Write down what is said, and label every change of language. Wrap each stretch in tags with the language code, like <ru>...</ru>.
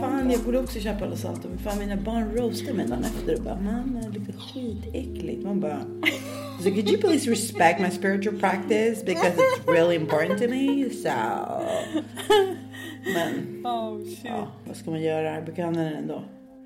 <sv>Fan, jag borde också köpa Palo Santo. Fan, mina barn roastade mig efter och bara, mamma, det är lite skitäckligt. Man bara...</sv> <en>I was like, could you please respect my spiritual practice? Because it's really important to me. So.</en> <sv>Men.</sv> <en>Oh, shit.</en> <sv>Ja, vad ska man göra? Jag brukar använda den ändå.</sv>